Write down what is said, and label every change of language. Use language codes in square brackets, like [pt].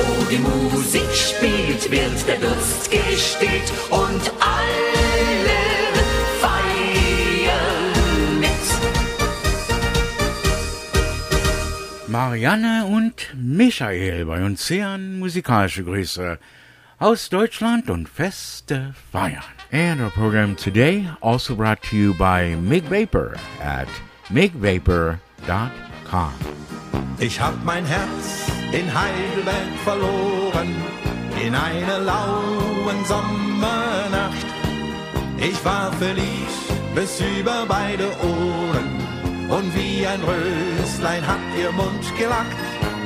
[de] Die Musik spielt, wird der Durst gestillt und alle feiern mit. Marianne und Michael bei uns hier an musikalische Grüße aus Deutschland und feste feiern. [en] And our program today also brought to you by Mig Vapor at migvapor.com. [de] Ich hab mein Herz in Heidelberg verloren, in einer lauen Sommernacht. Ich war verliebt bis über beide Ohren, und wie ein Röslein hat ihr Mund gelacht.